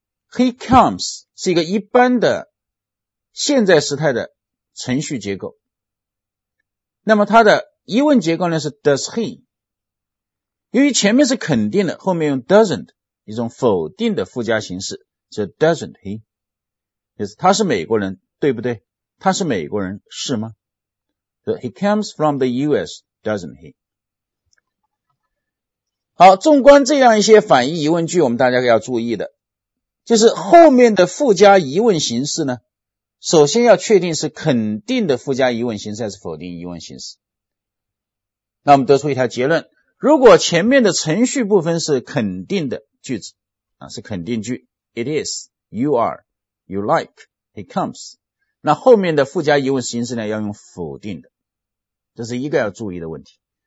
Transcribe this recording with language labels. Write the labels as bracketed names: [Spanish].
[English] He comes [Chinese] 是一个一般的现在时态的程序结构。那么它的疑问结构呢是 [English] does he? [Chinese] 由于前面是肯定的，后面用 doesn't， 一种否定的附加形式，就 [English] doesn't he? [Chinese] 就是他是美国人，对不对？他是美国人，是吗？ [English] So, he comes from the US, doesn't he? [Chinese] 好，纵观这样一些反义疑问句，我们大家要注意的就是后面的附加疑问形式呢，首先要确定是肯定的附加疑问形式还是否定疑问形式。那我们得出一条结论，如果前面的程序部分是肯定的句子啊，是肯定句 [English] It is, you are, you like, he comes， [Chinese] 那后面的附加疑问形式呢，要用否定的，这是一个要注意的问题。